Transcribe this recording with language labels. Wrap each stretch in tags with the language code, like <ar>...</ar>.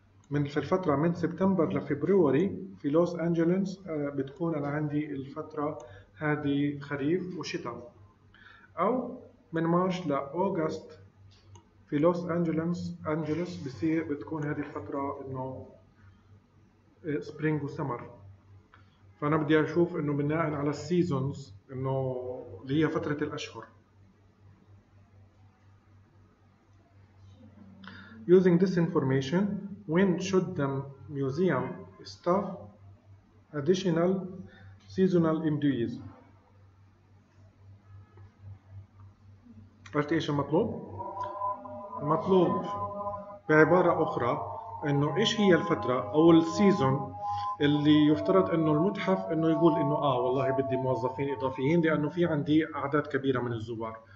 <ar>من في الفتره من سبتمبر لفبروري في لوس انجلوس؟ بتكون انا عندي الفتره هذه خريف وشتاء، او من مارس لاوغست في لوس انجلوس بتكون هذه الفتره انه</ar> <en>spring وسمر،</en> <ar>فأنا بدي أشوف إنه بناء على السيزونز إنه اللي هي فترة الأشهر.</ar> <en>Using this information, when should the museum staff additional seasonal employees?</en> <ar>عرفتي ايش المطلوب؟ المطلوب بعبارة أخرى إنه ايش هي الفترة أو السيزون اللي يفترض إنه المتحف إنه يقول إنه والله بدي موظفين إضافيين لأنه في عندي أعداد كبيرة من الزوار.</ar>